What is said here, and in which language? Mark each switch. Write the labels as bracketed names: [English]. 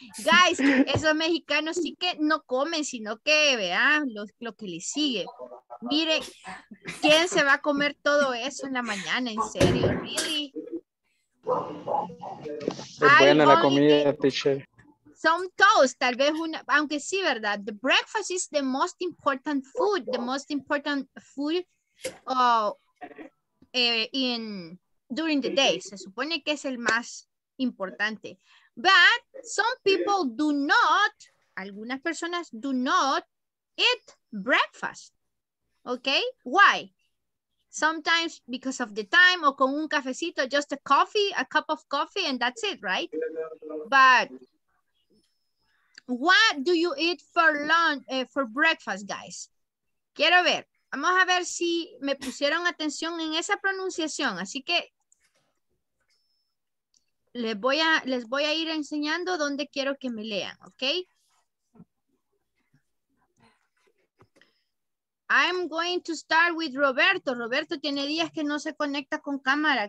[Spanish] Guys, esos mexicanos sí que no comen, sino que vean lo que les sigue. Mire, ¿quién se va a comer todo eso en la mañana? En serio, really. Es buena la comida, teacher. [English] Some toast, [Spanish] tal vez una, aunque sí, ¿verdad? [English] The breakfast is the most important food, the most important food in during the day. [Spanish] Se supone que es el más importante. [English] But some people do not, [Spanish] algunas personas [English] do not eat breakfast. Okay? Why? Sometimes because of the time, [Spanish] o con un cafecito, [English] just a coffee, a cup of coffee, and that's it, right? But what do you eat for lunch, for breakfast, guys? [Spanish] Quiero ver. Vamos a ver si me pusieron atención en esa pronunciación. Así que les voy a ir enseñando dónde quiero que me lean, ¿ok? [English] I'm going to start with Roberto. [Spanish] Roberto tiene días que no se conecta con cámara.